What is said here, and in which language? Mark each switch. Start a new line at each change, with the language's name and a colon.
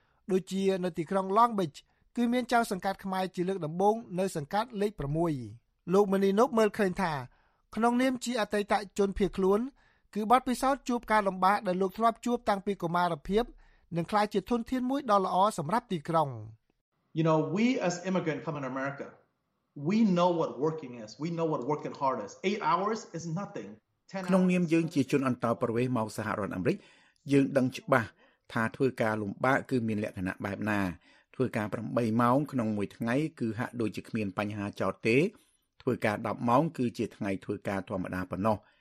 Khmer: ដូចជានៅទីក្រុង Long Beach គឺមានចៅសង្កាត់ខ្មែរជាលើកដំបូងនៅសង្កាត់លេខ6លោកមនីណូបមើលឃើញថាក្នុងនាមជាអតីតជនភៀសខ្លួនគឺបានពិសោធន៍ជួបការលំបាកដែលលោកធ្លាប់ជួបតាំងពីកុមារភាពនិងក្លាយជាធនធានមួយដ៏ល្អសម្រាប់ទីក្រុង
English: You know we as immigrants come in America we know what working is we know what working hard is 8 hours is nothing
Khmer: ក្នុងនាមយើងជាជនអន្តោប្រវេសន៍មកសហរដ្ឋអាមេរិកយើងដឹងច្បាស់ថាធ្វើការលំបាកគឺមានលក្ខណៈបែបណាធ្វើការ8ម៉ោងក្នុងមួយថ្ងៃគឺហាក់ដូចជាគ្មានបញ្ហាចោតទេធ្វើការ10ម៉ោងគឺជាថ្ងៃធ្វើការធម្មតាប៉ុណ្ណោះ